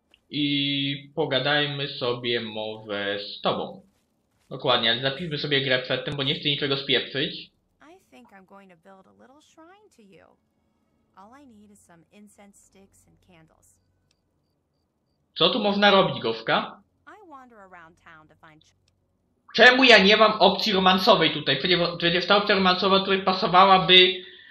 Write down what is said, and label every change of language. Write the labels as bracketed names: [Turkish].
[Polish] I pogadajmy sobie może z tobą. Dokładnie, ale zapiszmy sobie grę przed tym, bo nie chcę niczego spieprzyć. [English] I think I'm going to build a little shrine to you. All I need is some incense sticks and candles. [Polish] Co tu można robić, Gowka? [English] I wander around town to find... [Polish] Czemu ja nie mam opcji romansowej tutaj? Przecież ta opcja romansowa tutaj pasowałaby...